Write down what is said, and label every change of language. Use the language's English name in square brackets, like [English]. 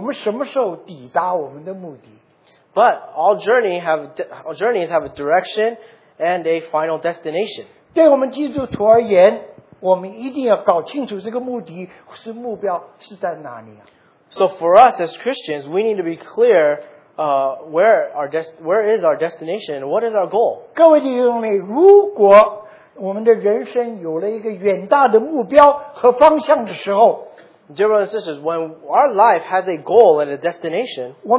[Chinese] 一个旅程，但是要有方向，要有目的，到底我们什么时候抵达我们的目的？ [English] But all journeys have a direction and a final destination. [Chinese] 对我们基督徒而言，我们一定要搞清楚这个目的是目标是在哪里。 [English] So for us as Christians, we need to be clear. Where is our destination? What is our goal? [Chinese] 各位弟兄们，如果我们的人生有了一个远大的目标和方向的时候， [English] Dear brothers and sisters, when our life has a goal and a destination,